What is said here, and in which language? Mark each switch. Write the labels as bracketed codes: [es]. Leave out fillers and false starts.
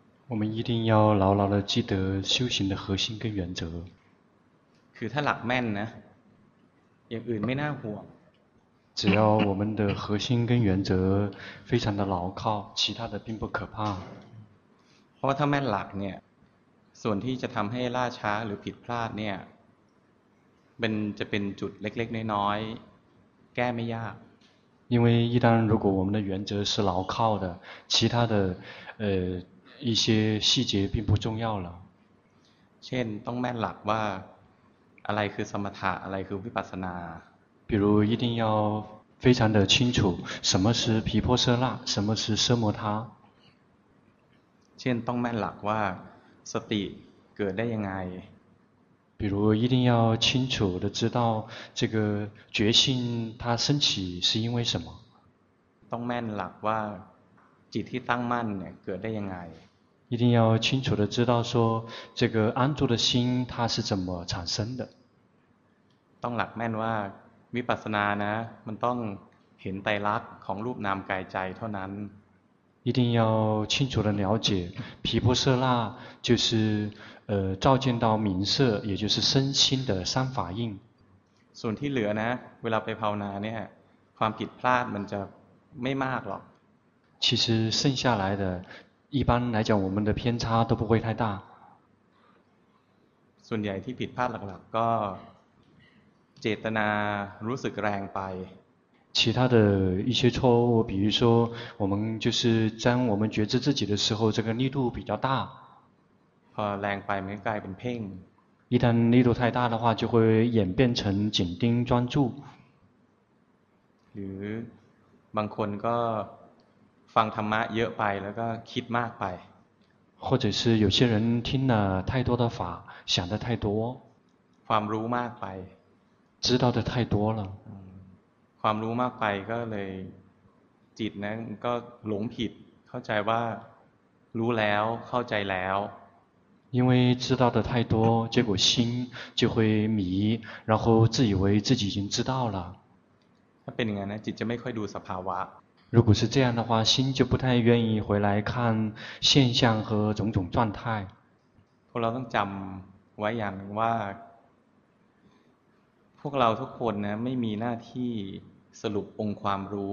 [zh] 我们一定要牢牢地记得修行的核心跟原则 [th] คือถ้าหลักแม่นนะอย่างอื่นไม่น่าห่วง [zh] 只要我们的核心跟原则非常的牢靠其他的并不可怕 [th] เพราะถ้าแม่นหลักเนี่ยส่วนที่จะทำให้ล่าช้าหรือผิดพลาดเนี่ยมันจะเป็นจุดเล็กๆน้อยๆแก้ไม่ยาก [zh] 因为一旦如果我们的原则是牢靠的其他的一些细节并不重要了 [th] เช่นต้องแม่นหลักว่าอะไรคือสมถะอะไรคือวิปัสสนา [zh] 比如一定要非常的清楚什么是毗婆舍那什么是奢摩他 [th] เช่นต้องแม่นหลักว่าสติเกิดได้ยังไง [zh] 比如一定要清楚的知道这个决心它升起是因为什么 [th] ต้องแม่นหลักว่าจิตที่ตั้งมั่นเนี่ยเกิดได้ยังไง [zh] 一定要清楚的知道说这个安住的心它是怎么产生的 [th] ต้องหลักแม่นว่าวิปัสสนานะมันต้องเห็นไตรลักษณ์ของรูปนามกายใจเท่านั้น [zh] 一定要清楚的了解毗婆舍那就是照见到明色也就是身心的三法印 [th] ส่วนที่เหลือนะเวลาไปภาวนาเนี่ยความผิดพลาดมันจะไม่มากหรอก [zh] 其实剩下来的一般来讲我们的偏差都不会太大 [th] ส่วนใหญ่ที่ผิดพลาดหลักๆก็เจตนารู้สึกแรงไป [zh] 其他的一些错误比如说我们就是将我们觉知自己的时候这个力度比较大 [th] พอแรงไปมันกลายเป็นเพ่ง [zh] 一旦力度太大的话就会演变成紧盯专注 [th] หรือบางคนก็ฟังธรรมะเยอะไปแล้วก็คิดมากไป [zh] 或者是有些人听了太多的法想得太多 [th] ความรู้มากไป [zh] 知道的太多了 [th] ความรู้มากไปก็เลยจิตนั้นก็หลงผิดเข้าใจว่ารู้แล้วเข้าใจแล้ว [zh] 因为知道的太多结果心就会迷然后自以为自己已经知道了 [th] ถ้าเป็นอย่างนั้นจิตจะไม่ค่อยดูสภาวะ [zh] 如果是这样的话心就不太愿意回来看现象和种种状态 [th] พวกเราต้องจำไว้อย่างว่าพวกเราทุกคนนะไม่มีหน้าที่สรุปองค์ความรู